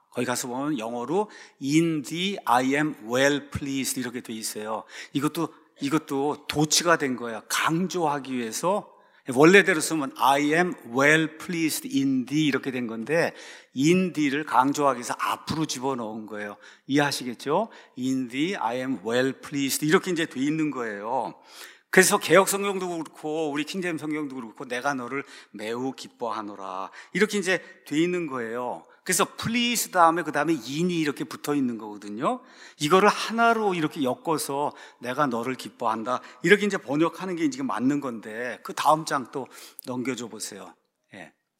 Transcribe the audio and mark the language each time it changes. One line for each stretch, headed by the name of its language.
Korean: 거기 가서 보면 영어로
English: In thee I am well pleased
Korean: 이렇게 돼 있어요. 이것도 도치가 된 거예요. 강조하기 위해서 원래대로 쓰면
English: I am well pleased in thee
Korean: 이렇게 된 건데
English: in thee
Korean: 를 강조하기 위해서 앞으로 집어넣은 거예요. 이해하시겠죠?
English: In thee I am well pleased
Korean: 이렇게 이제 돼 있는 거예요. 그래서 개역성경도 그렇고 우리 킹제임 성경도 그렇고 내가 너를 매우 기뻐하노라 이렇게 이제 돼 있는 거예요. 그래서 please 다음에 그 다음에 in이 이렇게 붙어 있는 거거든요. 이거를 하나로 이렇게 엮어서 내가 너를 기뻐한다 이렇게 이제 번역하는 게 이제 맞는 건데 그 다음 장 또 넘겨줘 보세요. 예.